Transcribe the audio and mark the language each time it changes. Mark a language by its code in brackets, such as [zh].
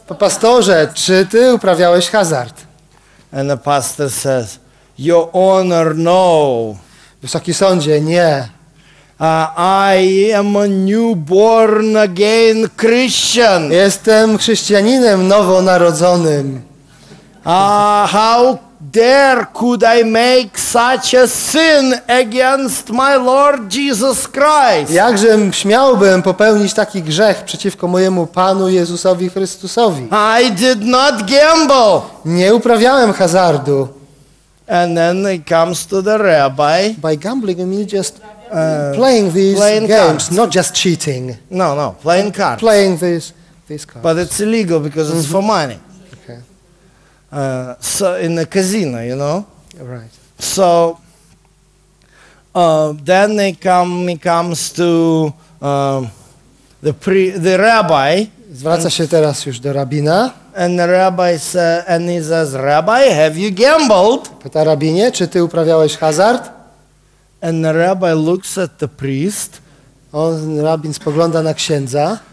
[pl] Pastorze, czy ty uprawiałeś hazard? [en] And the pastor says, Your Honor, no. [pl] Wysoki sądzie, nie. [en] I am a newborn again Christian. [pl] Jestem chrześcijaninem nowonarodzonym. [en] How dare could I make such a sin against my Lord Jesus Christ? [pl] Jakże śmiałbym popełnić taki grzech przeciwko mojemu Panu Jezusowi Chrystusowi? [en] I did not gamble. [pl] Nie uprawiałem hazardu. [en] And then he comes to the rabbi. By gambling, I mean just playing these playing games, cards. Not just cheating. No, playing cards. Playing these cards. But it's illegal because it's for money. Okay. So in the casino, you know. Right. So then they come. He comes to the rabbi. [pl] Zwraca się teraz już do rabina. [en] And the rabbi says, and he says, Rabbi, have you gambled? [pl] Pyta rabinie, czy ty uprawiałeś hazard? [en] And the rabbi looks at the priest. [pl] On rabin spogląda na księdza.